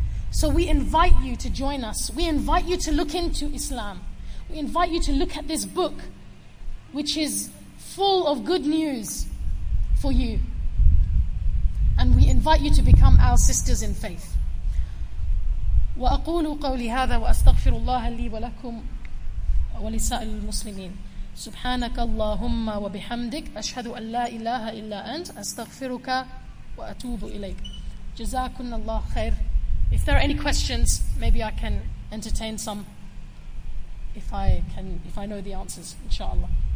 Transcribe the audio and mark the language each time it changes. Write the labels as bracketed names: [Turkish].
[English] So we invite you to join us. We invite you to look into Islam. We invite you to look at this book, which is full of good news for you. And we invite you to become our sisters in faith. [Arabic] وَأَقُولُ قَوْلِ هَذَا وَأَسْتَغْفِرُ اللَّهَ لِي وَلَكُمْ وَلِسَائِلُ الْمُسْلِمِينَ سبحانك اللهم وبحمدك أشهد أن لا إله إلا أنت أستغفرك وأتوب إليك جزاكم الله خير. [English] If there are any questions, maybe I can entertain some if I know the answers, inshallah.